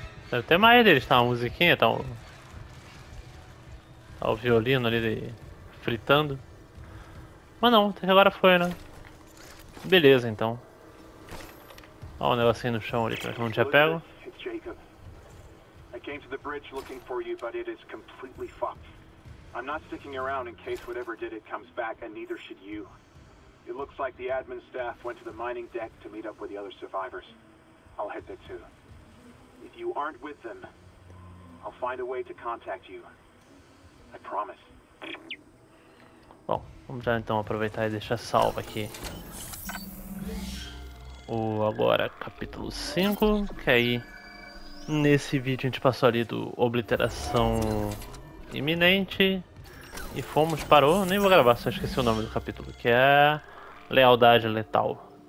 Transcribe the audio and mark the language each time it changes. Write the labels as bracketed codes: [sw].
[pt] Deve ter mais deles, tá? Uma musiquinha, tá? Tá o violino ali fritando. Mas não, até que agora foi, né? Beleza, então. Olha o negocinho no chão ali, pra que não tinha pego. [en] I came to the bridge looking for you, but it is completely fucked. I'm not sticking around in case whatever did it comes back, and neither should you. It looks like the admin staff went to the mining deck to meet up with the other survivors. I'll head there too. If you aren't with them, I'll find a way to contact you. I promise. [pt] Bom, vamos já então aproveitar e deixar salvo aqui. O agora capítulo 5, que aí nesse vídeo a gente passou ali do obliteração iminente e fomos para o, nem vou gravar, só esqueci o nome do capítulo, que é lealdade letal.